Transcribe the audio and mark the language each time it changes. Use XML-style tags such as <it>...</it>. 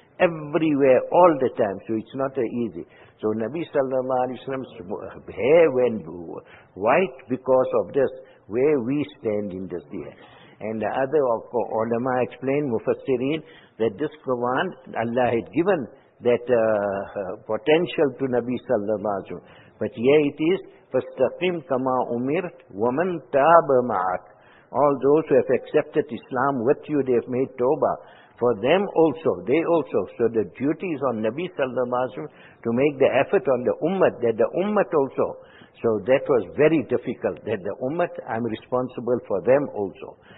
<en>Everywhere, all the time. So it's not easy. So Nabi Sallallahu Alaihi Wasallam's hair went white because of this, where we stand in this day. And the other ulama explained, Mufassirin, that this command Allah had given that potential to Nabi Sallallahu Alaihi Wasallam. But here it is,</en> <ar>فَاسْتَقِمْ كَمَا أُمِرْتْ وَمَنْ تَابَ مَعَكْ.</ar> <en>All those who have accepted Islam with you, they have made Tawbah. For them also, they also. So the duty is on Nabi Sallallahu Alaihi Wasallam to make the effort on the Ummah, that the Ummah also. So that was very difficult, that the Ummah, I'm responsible for them also.</en>